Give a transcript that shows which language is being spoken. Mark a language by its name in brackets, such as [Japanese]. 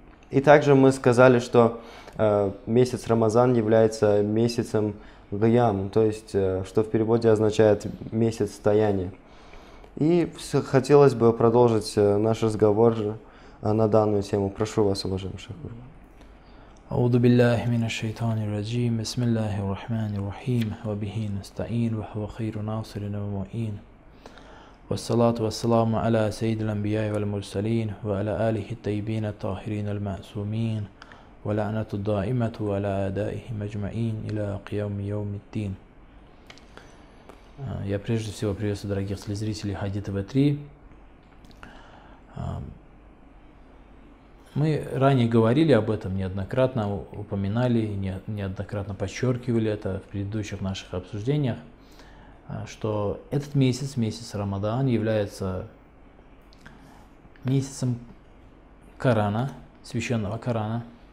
[Russian] И также мы сказали, что месяц Рамазан является месяцем гьям, то есть, что в переводе означает «месяц стояния». И хотелось бы продолжить наш разговор на данную тему. Прошу вас, уважаемый шейх. [Arabic] أعوذ بالله من الشيطان الرجيم بسم الله الرحمن الرحيم وبه نستعين وهو خير ناصر ومعين والصلاة والسلام على سيد الأنبياء والمرسلين وعلى آله الطيبين الطاهرين المعصومين ولعنة الدائمة على أعدائهم أجمعين إلى قيام يوم الدين. [Russian] Я прежде всего приветствую дорогих телезрителей Хади ТВ 3. Мы ранее говорили об этом неоднократно, упоминали, неоднократно подчеркивали это в предыдущих наших обсуждениях, что этот месяц, месяц Рамадан, является месяцем Корана, священного Корана.